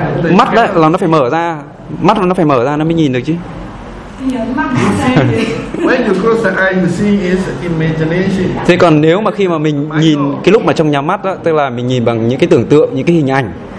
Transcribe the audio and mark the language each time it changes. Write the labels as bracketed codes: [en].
[vi] Mắt đấy là nó phải mở ra. Mắt nó phải mở ra nó mới nhìn được chứ. [en] When you close the eye, you see is imagination. [vi] Thế còn nếu mà khi mà mình nhìn cái lúc mà trong nhắm mắt đó, tức là mình nhìn bằng những cái tưởng tượng, những cái hình ảnh.